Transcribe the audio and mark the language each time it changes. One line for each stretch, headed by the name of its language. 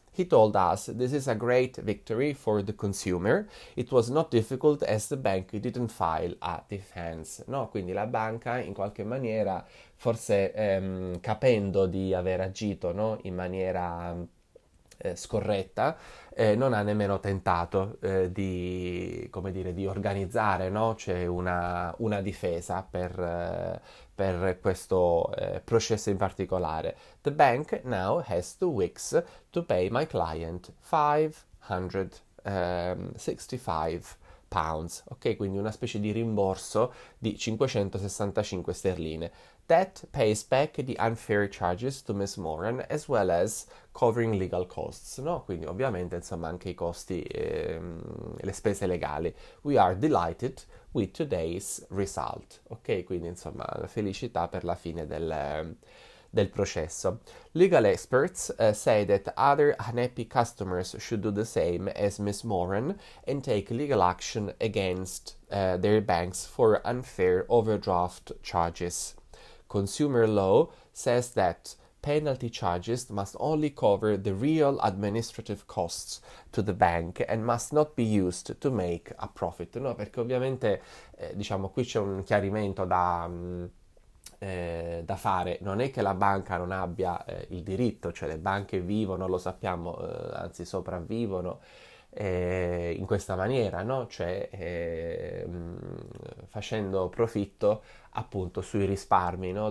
English: He told us this is a great victory for the consumer. It was not difficult as the bank didn't file a defense.
Italian: No, quindi la banca in qualche maniera, forse capendo di aver agito, no, in maniera scorretta, non ha nemmeno tentato di, come dire, di organizzare, no? C'è una difesa per questo processo in particolare.
English: The bank now has 2 weeks to pay my client £565.
Italian: Ok, quindi una specie di rimborso di 565 sterline.
English: That pays back the unfair charges to Miss Moran as well as covering legal costs, no?
Italian: Quindi ovviamente insomma anche i costi, le spese legali.
English: We are delighted with today's result.
Italian: Ok, quindi insomma felicità per la fine del processo.
English: Legal experts say that other unhappy customers should do the same as Miss Moran and take legal action against their banks for unfair overdraft charges. Consumer law says that penalty charges must only cover the real administrative costs to the bank and must not be used to make a profit.
Italian: No, perché ovviamente, diciamo, qui c'è un chiarimento da fare. Non è che la banca non abbia, il diritto, cioè le banche vivono, lo sappiamo, anzi sopravvivono. In questa maniera, no? Cioè, facendo profitto appunto sui risparmi, no?